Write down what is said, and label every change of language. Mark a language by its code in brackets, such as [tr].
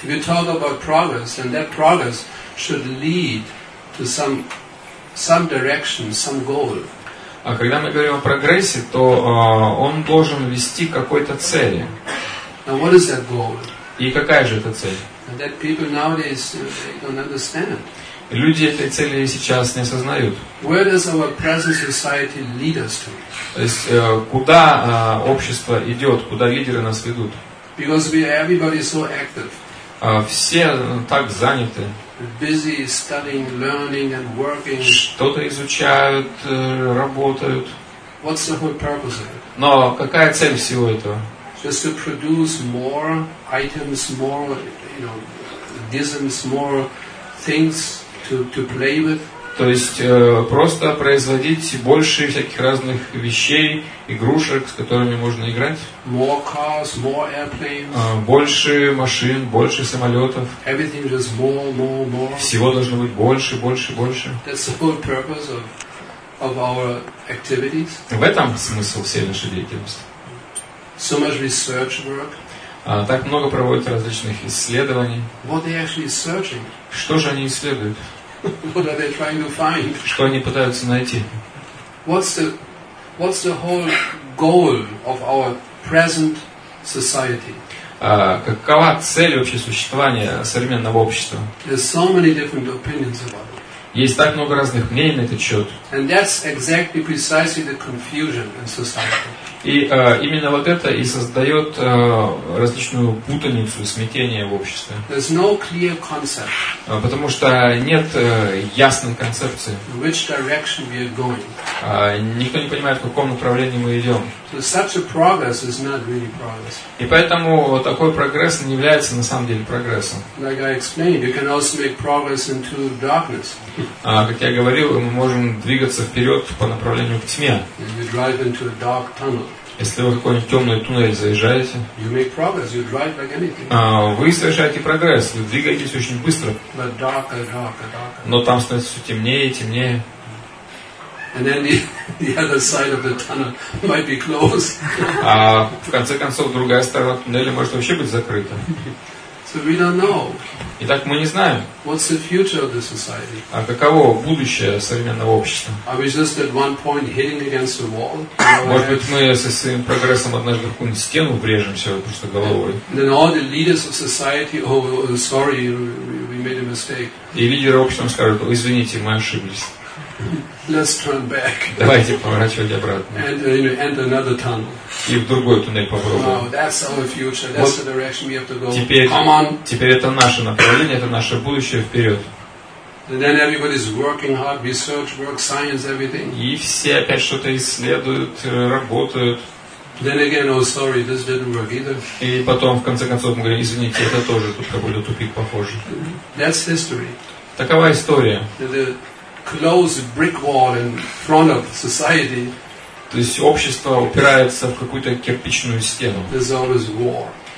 [en] We talk about progress, and that progress should lead to some direction, some goal. [ru] А когда мы говорим о прогрессе, то он должен вести к какой-то цели. [en] Now, what is that goal? [ru] И какая же эта цель? [en] That people nowadays, they don't understand. [ru] Люди этой цели сейчас не осознают. [en] Where does our present society lead us to? [ru] То есть куда общество идет, куда лидеры нас ведут? [en] Because we, everybody is so active. [ru] Все так заняты. [en] Busy studying, learning, and working. [ru] Что-то изучают, работают. [en] What's the whole purpose of it? [ru] Но какая цель всего этого? [en] Just to produce more items, more, you know, gizms, more things to play with. [ru] То есть просто производить больше всяких разных вещей, игрушек, с которыми можно играть. [en] More cars, more airplanes. [ru] Больше машин, больше самолетов. [en] Everything just more, more, more. [ru] Всего должно быть больше, больше, больше. [en] That's the whole purpose of our activities. [ru] В этом смысл всей нашей деятельности. [en] So much research work. [ru] Так много проводят различных исследований. [en] What they actually searching? [ru] Что же они исследуют? [en] What are they trying to find? [ru] Что они пытаются найти? [en] What's the whole goal of our present society? [ru] Какова цель вообще существования современного общества? [en] There's so many different opinions about it. [ru] Есть так много разных мнений на этот счет. [en] And that's exactly precisely the confusion in society. [ru] И именно вот это и создает различную путаницу, смятение в обществе. [en] There's no clear concept. [ru] Потому что нет ясной концепции. [en] Which direction we are going. [ru] Никто не понимает, в каком направлении мы идем. [en] So such a progress is not really progress. [ru] И поэтому такой прогресс не является на самом деле прогрессом. [en] Like I explained, you can also make progress into darkness. [ru] Как я говорил, мы можем двигаться вперед по направлению к тьме. [en] And you drive into a dark tunnel. [ru] Если вы в какой-нибудь темный туннель заезжаете, [en] you make progress, you drive like anything. [ru] Вы совершаете прогресс, вы двигаетесь очень быстро. [en] But darker, darker, darker. [ru] Но там становится все темнее и темнее. [en] And then the other side of the tunnel might be closed. [ru] А в конце концов другая сторона туннеля может вообще быть закрыта. [en] So we don't know. [ru] Итак, мы не знаем. [en] What's the future of the society? [ru] А каково будущее современного общества? [en] Are we just at one point hitting against the wall? [ru] Может быть, мы со своим прогрессом однажды в какую-нибудь стену врежемся просто головой? [en] Then all the leaders of society, oh, sorry, we made a mistake. [ru] И лидеры общества скажут: извините, мы ошиблись. [en] Let's turn back. [ru] Давайте поворачивать обратно. [en] And another tunnel. [ru] И в другой туннель попробуем. [en] Wow, that's our future. That's the direction we have to go. [ru] Теперь, [en] come on. [ru] Теперь это наше направление, это наше будущее вперед. [en] And then everybody's working hard, research, work, science, everything. [ru] И все опять что-то исследуют, работают. [en] Then again, oh sorry, this didn't work either. [ru] И потом в конце концов мы говорим: извините, это тоже тут какой-то тупик похожий. [en] That's history. [ru] Такова история. [en] Close brick wall in front of society. [ru] То есть общество упирается в какую-то кирпичную стену. [en] There's always war.